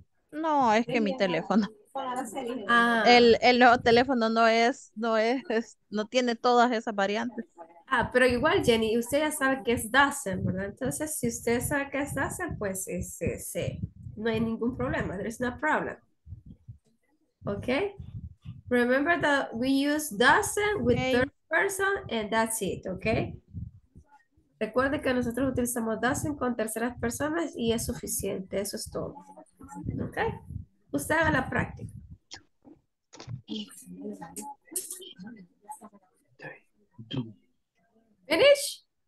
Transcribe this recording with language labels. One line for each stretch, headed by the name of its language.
Spanish: No, es que mi teléfono. Ah. El nuevo teléfono no tiene todas esas variantes. Ah, pero igual, Jenny, usted ya sabe que es doesn't, ¿verdad? Entonces, si usted sabe que es doesn't, pues sí, no hay ningún problema.
English: There is no problem. Okay. Remember that we use doesn't with third person and that's it, okay?
Spanish: Recuerde que nosotros utilizamos doesn't con terceras personas y es suficiente, eso es todo. Okay? Usted haga la práctica.
English: Finish?